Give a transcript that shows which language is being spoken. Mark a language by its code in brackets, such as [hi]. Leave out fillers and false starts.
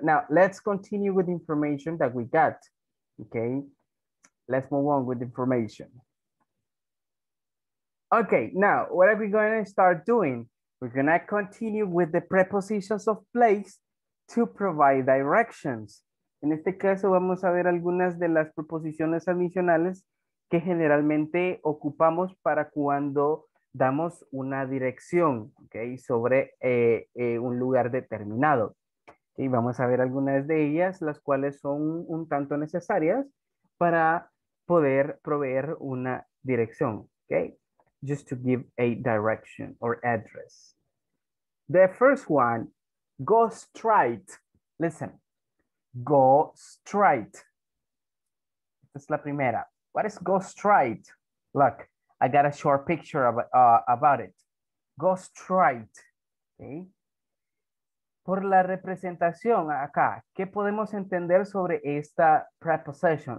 [en] Now, let's continue with information that we got. Okay. Let's move on with information. Okay. Now, what are we going to start doing? We're going to continue with the prepositions of place to provide directions. [es] En este caso, vamos a ver algunas de las preposiciones adicionales que generalmente ocupamos para cuando damos una dirección, okay, sobre un lugar determinado. Y vamos a ver algunas de ellas, las cuales son un tanto necesarias para poder proveer una dirección. [en] Okay? Just to give a direction or address. The first one, go straight. Listen. Go straight. [es] Esta es la primera. [en] What is go straight? Look, I got a short picture about it. Go straight. Okay. [es] Por la representación acá, ¿qué podemos entender sobre esta preposition?